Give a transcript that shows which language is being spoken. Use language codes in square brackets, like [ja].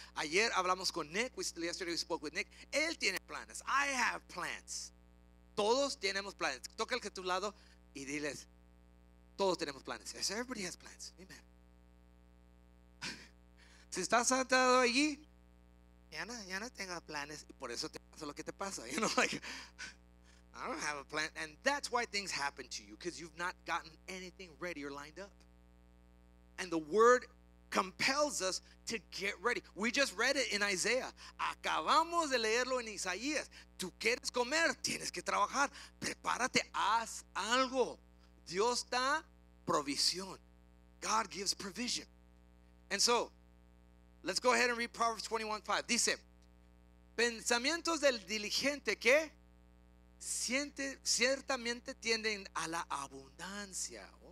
[es] Ayer hablamos con Nick, [en] yesterday we spoke with Nick. [es] Él tiene planes, [en] I have plans. [es] Todos tenemos planes. Toca el que a tu lado y diles, todos tenemos planes. [en] Yes, everybody has plans, amen. [es] Si estás sentado allí, ya no tengo planes. Y por eso te pasa lo que te pasa, [en] you know, like, I don't have a plan. And that's why things happen to you, because you've not gotten anything ready or lined up. And the word compels us to get ready. We just read it in Isaiah. [es] Acabamos de leerlo en Isaías. Tú quieres comer, tienes que trabajar. Prepárate, haz algo. Dios da provisión. [en] God gives provision. And so, let's go ahead and read Proverbs 21:5. [es] Dice, pensamientos del diligente que ciertamente tienden a la abundancia.